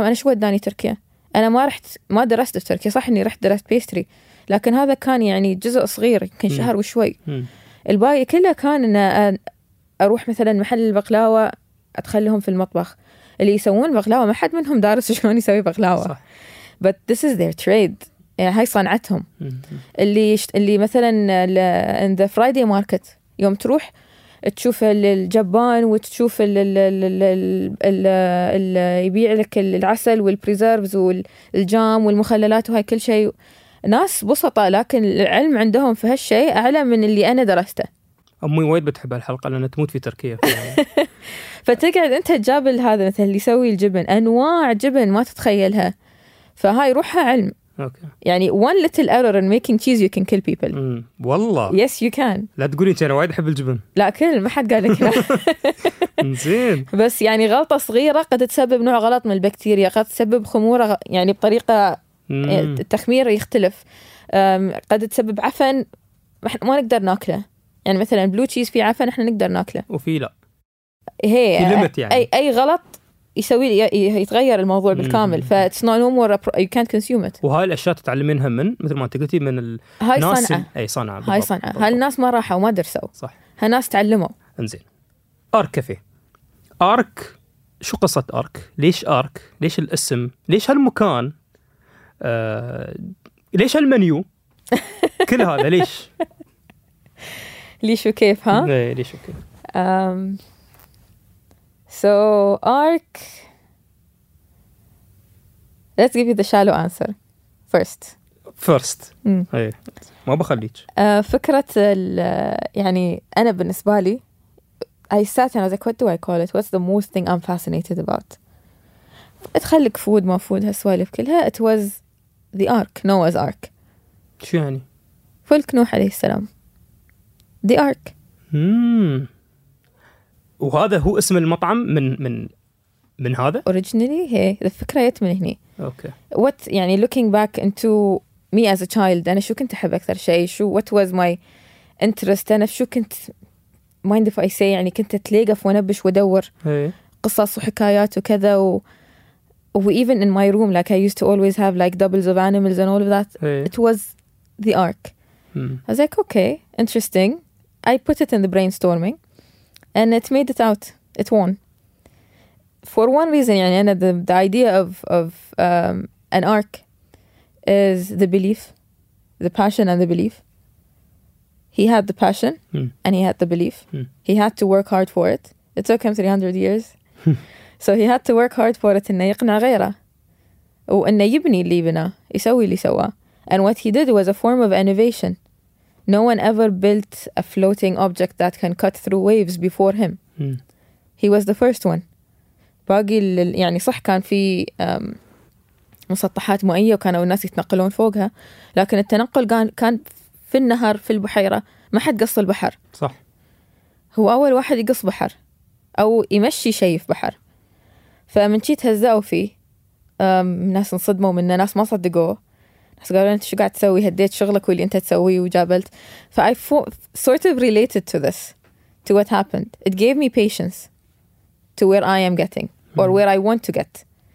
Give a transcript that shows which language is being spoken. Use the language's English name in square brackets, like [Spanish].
[Arabic] أنا شو وداني تركيا؟ أنا ما درست في تركيا، صح إني رحت درست بيستري، لكن هذا كان يعني جزء صغير يمكن شهر وشوي. الباقي كله كان إن أروح مثلاً محل البقلاوة أدخلهم في المطبخ، اللي يسوون بقلاوة ما حد منهم دارس شلون يسوي بقلاوة. صح. [English] But this is their trade، [Arabic] يعني هاي صنعتهم. اللي مثلاً [English] in the Friday market [Arabic] يوم تروح تشوف الجبان وتشوف ال يبيع لك العسل والبريزيرفز والجام والمخللات وهاي كل شيء، ناس بسطة لكن العلم عندهم في هالشيء أعلى من اللي أنا درسته. أمي وايد بتحب الحلقة لأن تموت في تركيا. فتقعد أنت تجابل هذا مثلا اللي يسوي الجبن، أنواع جبن ما تتخيلها، فهاي روحها علم. أوكي. [English] يعني one little error in making cheese you can kill people. [Arabic] والله. [English] Yes you can. [Arabic] لا تقولي أنت أنا وايد أحب الجبن. لا كل ما حد قالك لا. زين. بس يعني غلطة صغيرة قد تسبب نوع غلط من البكتيريا، قد تسبب خمورة يعني بطريقة التخمير يختلف، قد تسبب عفن إحنا ما نقدر ناكله، يعني مثلاً بلو تشيز في عفن إحنا نقدر ناكله. وفي لا. هي. في ليمت يعني. أي غلط. يسوي يتغير الموضوع بالكامل، ف [English] it's not no more you can't consume it. [Arabic] وهاي الأشياء تتعلمينها من مثل ما تقولتي من الناس، أي صنعة، هاي صنعة، هالناس ما راحوا وما درسوا، صح، هالناس تعلموا. إنزين، أرك كافي، أرك، شو قصة أرك؟ ليش أرك؟ ليش الاسم؟ ليش هالمكان؟ ليش هالمنيو؟ كل هذا ليش؟ ليش وكيف ها؟ إيه ليش وكيف؟ [English] So Ark, let's give you the shallow answer first. First. [Arabic] ما بخليك. فكرة ال يعني أنا بالنسبة لي [English] I sat and I was like what do I call it? What's the most thing I'm fascinated about? [Arabic] اتخلك فود ما فود هالسوالف كلها. [English] It was the Ark, Noah's Ark. [Arabic] شو يعني؟ فلك نوح عليه السلام. The Ark. وهذا هو اسم المطعم من من من هذا [English] originally. [Arabic] هي الفكره جت من هنا. اوكي. [English] what يعني looking back into me as a child، [Arabic] انا شو كنت احب اكثر شيء، [English] شو what was my interest، انا شو كنت mind if I say [Arabic] يعني كنت اتلاقف وانبش وادور قصص وحكايات وكذا [English] even in my room like I used to always have like doubles of animals and all of that. hey. It was the Ark. I was like okay interesting. I put it in the brainstorming and it made it out. It won. For one reason, يعني أنا the idea of an arc is the belief, the passion and the belief. He had the passion and he had the belief. He had to work hard for it. It took him 300 years. So he had to work hard for it [Arabic] إنه يقنع غيره وإنه يبني اللي بنا يسوي اللي سوا. [English] And what he did was a form of innovation. No one ever built a floating object that can cut through waves before him. He was the first one. [Arabic] باقي يعني صح كان في مسطحات مائية وكانوا الناس يتنقلون فوقها، لكن التنقل كان في النهر في البحيرة، ما حد قص البحر. صح. هو أول واحد يقص بحر أو يمشي شيء في بحر. فمن شيء تهزأوا فيه ناس انصدموا منه، ناس ما صدقوه. قالوا أنت شو قاعد تسوي، هديت شغلك واللي أنت تسويه وجابلت. [English] ف I sort of related to this to what happened. It gave me patience to where I am getting or where I want to get.